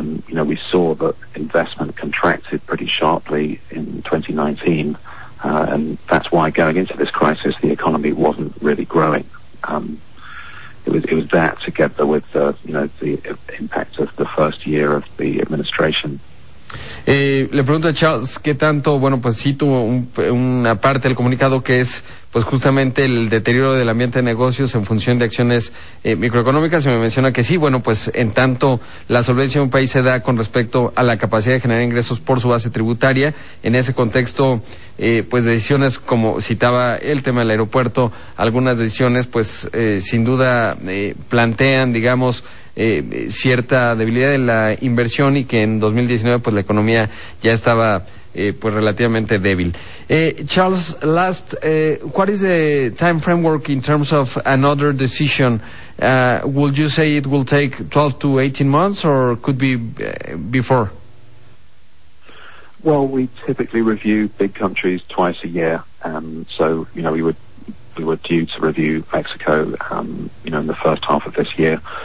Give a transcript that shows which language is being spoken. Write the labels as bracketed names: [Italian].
[English] And, you know, we saw that investment contracted pretty sharply in 2019, and that's why going into this crisis the economy wasn't really growing. It was that, together with the, you know, the impact of the first year of the administration. [Spanish] Le pregunto a Charles qué tanto, bueno, pues cito una parte del comunicado que es pues justamente el deterioro del ambiente de negocios en función de acciones microeconómicas, y me menciona que sí, bueno, pues en tanto la solvencia de un país se da con respecto a la capacidad de generar ingresos por su base tributaria, en ese contexto, pues decisiones como citaba el tema del aeropuerto, algunas decisiones pues sin duda plantean, digamos, cierta debilidad en la inversión, y que en 2019 pues la economía ya estaba pues relativamente débil. [English] Charles, last, what is the time framework in terms of another decision? Would you say it will take 12 to 18 months, or could be before? Well, we typically review big countries twice a year, so, you know, we were due to review Mexico, you know, in the first half of this year.